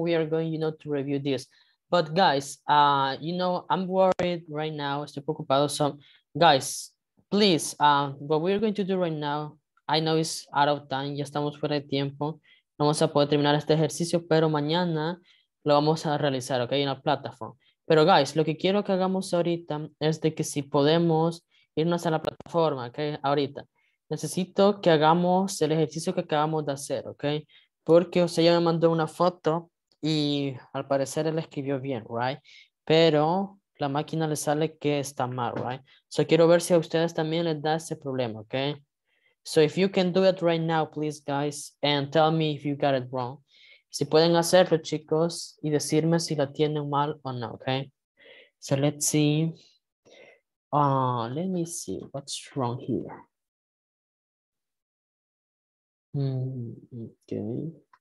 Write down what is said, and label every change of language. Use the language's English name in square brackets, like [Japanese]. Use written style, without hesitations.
[English] We are going, you know, to review this. But guys, you know, I'm worried right now. Estoy preocupado. So, guys, please, what we're going to do right now, I know it's out of time. [Spanish] Ya estamos fuera de tiempo. No vamos a poder terminar este ejercicio, pero mañana lo vamos a realizar, okay, en la plataforma. Pero, guys, lo que quiero que hagamos ahorita es de que si podemos irnos a la plataforma, okay, ahorita. Necesito que hagamos el ejercicio que acabamos de hacer, ¿ok? Porque usted ya me mandó una foto y al parecer él escribió bien, ¿right? Pero la máquina le sale que está mal, ¿right? So quiero ver si a ustedes también les da ese problema, ¿ok? [English] So if you can do it right now, please, guys, and tell me if you got it wrong. [Spanish] Si pueden hacerlo, chicos, y decirme si la tienen mal o no, ¿ok? [English] So let's see. Let me see what's wrong here. Okay.